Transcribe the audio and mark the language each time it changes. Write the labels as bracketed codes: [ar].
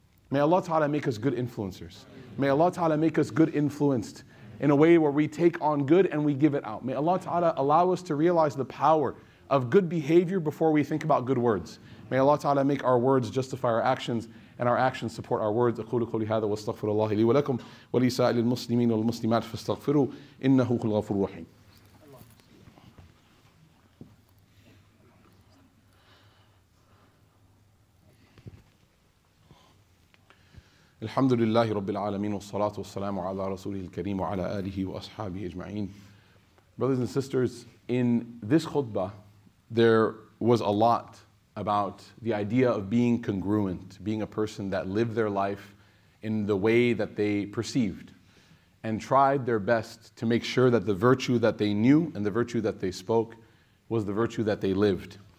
[en] May Allah Ta'ala make us good influencers. May Allah Ta'ala make us good influenced in a way where we take on good and we give it out. May Allah Ta'ala allow us to realize the power of good behavior before we think about good words. May Allah Ta'ala make our words justify our actions and our actions support our words. [ar] أقول قولي هذا واستغفر الله لي ولكم ولسائر المسلمين والمسلمات فاستغفروا إنه هو الغفور الرحيم. الحمد لله رب العالمين والصلاة والسلام على رسوله الكريم وعلى آله وأصحابه أجمعين. [en] Brothers and sisters, in this khutbah, there was a lot about the idea of being congruent, being a person that lived their life in the way that they perceived and tried their best to make sure that the virtue that they knew and the virtue that they spoke was the virtue that they lived.